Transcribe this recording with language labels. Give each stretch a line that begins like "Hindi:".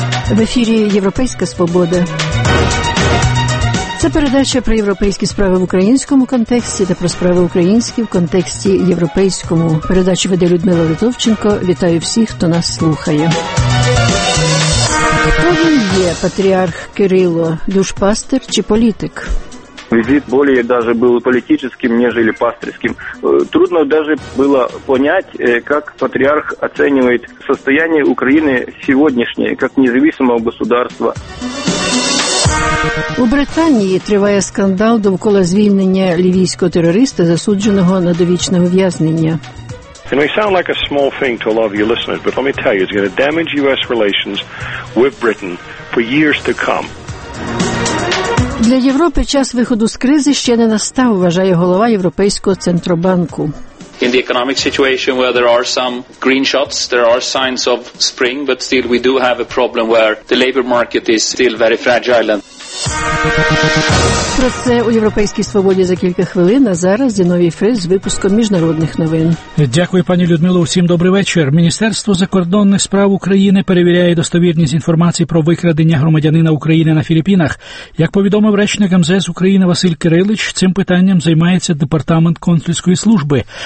Ukrainian: В ефірі «Європейська свобода». Це передача про європейські справи в українському контексті та про справи українські в контексті європейському. Передачу веде Людмила Литовченко. Вітаю всіх, хто нас слухає. Хто він є, патріарх Кирило? Душпастир чи політик?
Russian: Визит более даже был политическим, нежели пастырским. Трудно даже было понять, как патриарх оценивает состояние Украины сегодняшнее, как независимого государства.
Ukrainian: У Британії триває скандал довкола звільнення лівійського терориста, засудженого на довічне ув'язнення.
English: It may sound like a small thing to a lot of your listeners, but let me tell you, it's going to damage US relations with Britain for years to come.
Ukrainian: Для Європи час виходу з кризи ще не настав, вважає голова Європейського центробанку.
English: In the economic situation where there are some green shots, there are signs of spring, but still we do have a problem where the labor market is still very fragile.
Ukrainian: Про це у Європейській свободі за кілька хвилин, а зараз Зіновій Фріз з випуском міжнародних новин. Дякую, пані Людмило, усім добрий вечір. Міністерство закордонних справ України перевіряє достовірність інформації про викрадення громадянина України на Філіппінах. Як повідомив речник МЗС України Василь Кирилич, цим питанням займається департамент консульської служби.